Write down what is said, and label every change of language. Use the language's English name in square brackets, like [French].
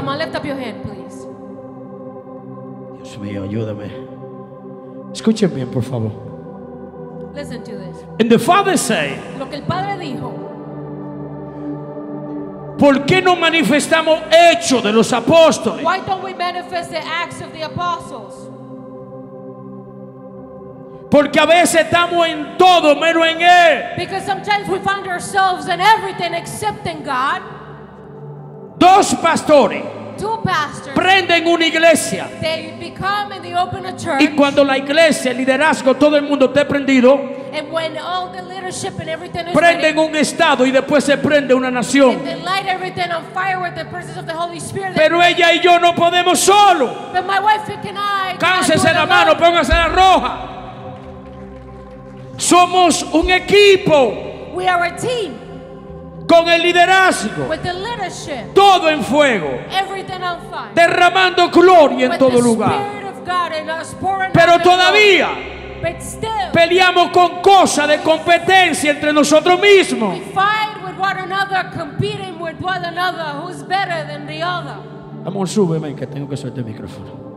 [English] Come on, lift up your hand, please. [Spanish] Dios mío, ayúdame. Escuchen bien, por favor. [English] Listen to this. And the Father said, [Spanish] lo que el Padre dijo. ¿Por qué no manifestamos hechos de los apóstoles? [English] Why don't we manifest the acts of the apostles? [Spanish] Porque a veces estamos en todo menos en Él. [English] Because sometimes we find ourselves in everything except in God. [Spanish] Dos pastores. [English] Two pastors. [Spanish] Prenden una iglesia. [English] They become and they open a church. [Spanish] Y cuando la iglesia, el liderazgo, todo el mundo esté prendido. [English] And when all the leadership and everything is [Spanish] prenden un estado y después se prende una nación. [English] And they light everything on fire with the presence of the Holy Spirit. [Spanish] Pero ella y yo no podemos solo. [English] But my wife and I. [Spanish] Cáncese la mano, póngase la roja. Somos un equipo. [English] We are a team. [Spanish] Con el liderazgo. [English] With the leadership. [Spanish] Todo en fuego. [English] Everything on fire. [Spanish] Derramando gloria en todo lugar. [English] With the Spirit of God in us pouring out. [Spanish] Pero todavía. [English] But still, [Spanish] peleamos con cosas de competencia entre nosotros mismos. [English] We fight with one another, competing with one another, who's better than the other. [Spanish] Amor, súbeme, que tengo que soltar el micrófono.